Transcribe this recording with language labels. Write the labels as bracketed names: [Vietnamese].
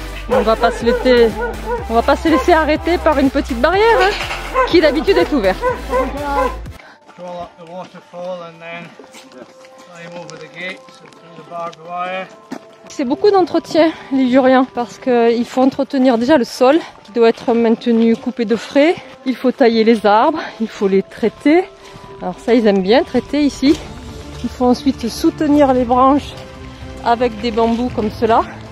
[French] On va pas se laisser arrêter par une petite barrière, hein, qui d'habitude est ouverte. [English] Crawl up the waterfall and then climb over the gates and through the barbed wire. [French] C'est beaucoup d'entretien, les juriens, parce qu'il faut entretenir déjà le sol, qui doit être maintenu coupé de frais. Il faut tailler les arbres, il faut les traiter. Alors ça, ils aiment bien traiter ici. Il faut ensuite soutenir les branches avec des bambous comme cela.